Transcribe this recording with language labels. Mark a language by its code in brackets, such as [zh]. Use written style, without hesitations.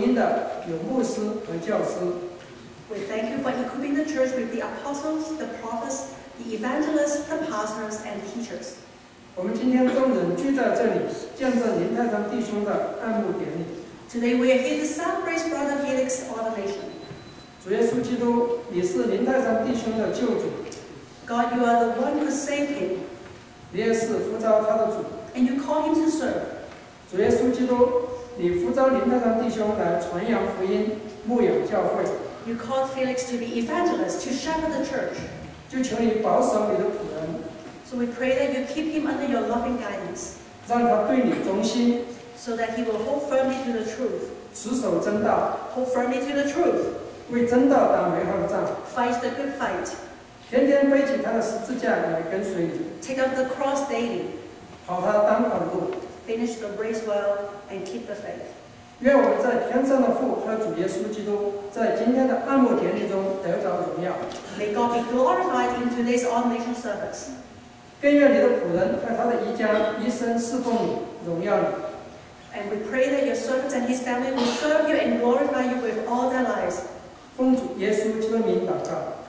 [zh] 你在教会所赐的有使徒、有先知、有传福音的、有牧师和教师。 [en] We thank you for equipping the church with the apostles, the prophets, the evangelists, the pastors, and teachers. [zh] 我们今天众人聚在这里，见证林太长弟兄的按牧典礼。 [en] Today we are here to celebrate Brother Felix's ordination. [zh] 主耶稣基督，你是林太长弟兄的救主。 [en] God, you are the one who saved him. [zh] 你也是呼召他的主。 [en] And you call him to serve. [zh] 主耶稣基督，你呼召林太长弟兄来传扬福音，牧养教会。 [en] You called Felix to be evangelist, to shepherd the church. [zh] 就求你保守你的仆人。 [en] So we pray that you keep him under your loving guidance. [zh] 让他对你忠心。 [en] So that he will hold firmly to the truth. [zh] 持守真道。 [en] Hold firmly to the truth. [zh] 为真道打美好的仗。 [en] Fight the good fight. [zh] 天天背起他的十字架来跟随你。 [en] Take up the cross daily. [zh] 跑他当跑的路。 [en] Finish the race well and keep the faith. [zh] 愿我们在天上的父和主耶稣基督在今天的按摩典礼中得着荣耀。 [en] May God be glorified in today's ordination service. [zh] 更愿你的仆人和他的一家一生侍奉你，荣耀你。 [en] And we pray that your servants and his family will serve you and glorify you with all their lives. [zh] 奉主耶稣基督的名祷告。